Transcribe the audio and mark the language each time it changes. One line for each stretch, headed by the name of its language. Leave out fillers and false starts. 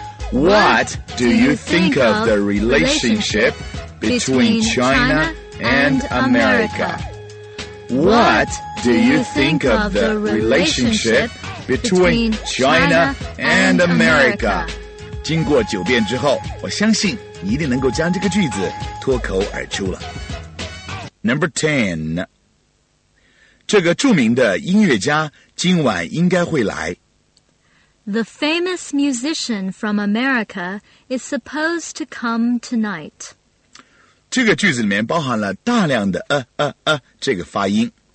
English: What do you think of the relationship between China and America? What do you think of the relationship between China and America?
Chinese: 经过九遍之后，我相信你一定能够将这个句子脱口而出了。
English: Number 10.
Chinese: 这个著名的音乐家今晚应该会来。
English: The famous musician from America is supposed to come tonight.
Chinese: 这个句子里面包含了大量的这个发音。